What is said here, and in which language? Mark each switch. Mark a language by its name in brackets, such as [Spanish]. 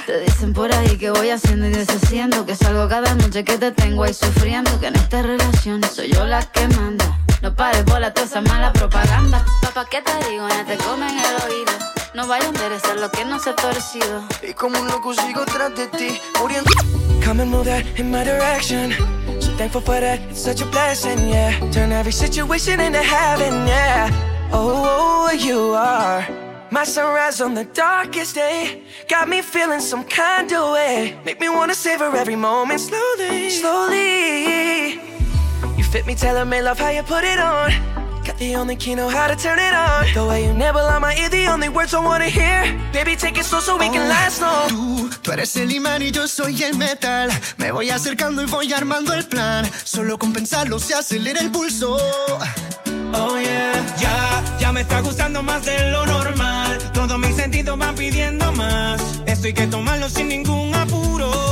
[Spanish] Te dicen por ahí que voy haciendo y deshaciendo, que salgo cada noche, que te tengo ahí sufriendo, que en esta relación soy yo la que manda. No pares bola toda esa mala propaganda. Papá, ¿qué te digo? Ya te comen el oído. No vaya a enderezar lo que no se ha torcido. Y como un loco sigo tras de ti, muriendo. [English] Come and move that in my direction. So thankful for that, it's such a blessing, yeah. Turn every situation into heaven, yeah. Oh, oh, you are my sunrise on the darkest day. Got me feeling some kind of way. Make me wanna savor every moment. Slowly, slowly. You fit me, tell me, love how you put it on. Got the only key, know how to turn it on. The way you nibble on my ear, the only words I wanna hear. Baby, take it slow so we can last long. [Spanish] Tú eres el imán y yo soy el metal. Me voy acercando y voy armando el plan. Solo con pensarlo se acelera el pulso. Oh yeah. Ya me está gustando más de lo normal. Todos mis sentidos van pidiendo más. Esto hay que tomarlo sin ningún apuro.